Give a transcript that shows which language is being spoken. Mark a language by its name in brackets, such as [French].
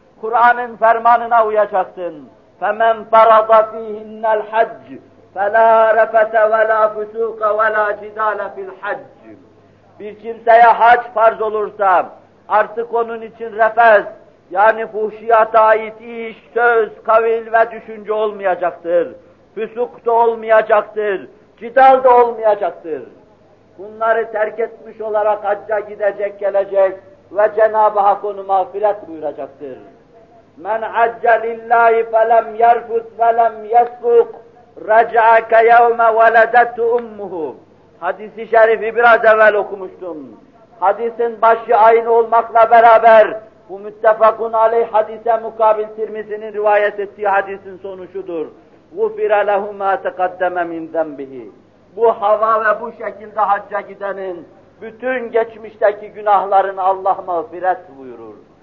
[Turkish] Kur'an'ın fermanına uyacaksın. [Arabic] فَمَنْ فَرَضَ ف۪يهِنَّ الْحَجِّ فَلَا رَفَتَ وَلَا فُسُوقَ وَلَا جِدَالَ فِي الْحَجِّ [Turkish] Bir kimseye hac farz olursa artık onun için refes, yani fuhşiyata ait iş, söz, kavil ve düşünce olmayacaktır. Füsuk da olmayacaktır. Cidal da olmayacaktır. Bunları terk etmiş olarak hacca gidecek, gelecek ve Cenab-ı Hak onu mağfiret buyuracaktır. [Arabic] مَنْ عَجَّ لِلّٰهِ فَلَمْ يَرْفُتْ وَلَمْ يَسْقُقْ رَجَعَكَ يَوْمَ وَلَدَتْتُ اُمُّهُ [Turkish] Hadis-i şerifi biraz evvel okumuştum. Hadisin başı aynı olmakla beraber bu müttefakun aleyh hadise mukabil Tirmizi'nin rivayet ettiği hadisin sonu şudur. [Arabic] غُفِرَ لَهُ مَا تَقَدَّمَ مِنْ ذَنْبِهِ [Turkish] Bu hava ve bu şekilde hacca gidenin bütün geçmişteki günahlarını Allah mağfiret buyurur.